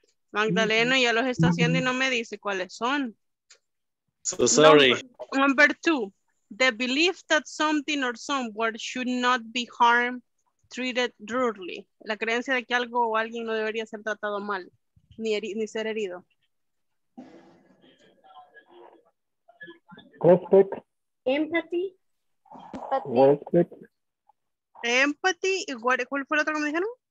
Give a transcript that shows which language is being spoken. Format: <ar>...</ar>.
<es>Magdalena ya los está haciendo y no me dice cuáles son.</es> <en>So sorry. Number two. The belief that something or someone should not be harmed, treated rudely.</en> <es>La creencia de que algo o alguien no debería ser tratado mal, ni ser herido.</es> <en>Respect. Empathy. Respect.</en> <es>Empathy. ¿Cuál fue la otra que me dijeron?</es>